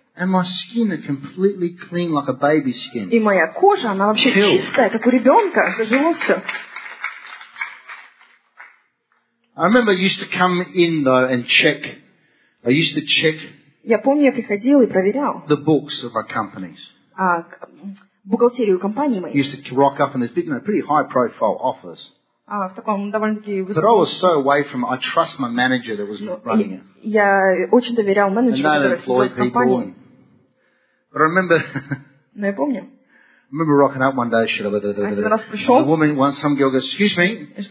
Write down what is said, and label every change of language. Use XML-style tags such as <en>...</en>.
<en>And my skin is completely clean like a baby's skin.</en> <ru>И моя кожа, она вообще</ru> <en>Killed.</en> <ru>Чистая, как у ребенка. Зажило все.</ru> <en>I remember I used to come in though and check. I used to check.</en> <ru>Я помню, я приходил и проверял.</ru> <en>The books of our companies.</en> <ru>Бухгалтерию компании моей.</ru> <en>Used to rock up in this big, you know, pretty high profile office.</en> <ru>В таком довольно-таки</ru> <en>But I was so away from I trust my manager that was running it.</en> <ru>Я очень доверял менеджеру, который</ru> <en>employed</en> <ru>компании.</ru> <en>People. But I remember.</en> <ru>Но я помню.</ru> <en>I remember rocking up one day, should have.</en> <ru>Один раз пришел.</ru> <en>The woman, once some girl goes, excuse me.</en>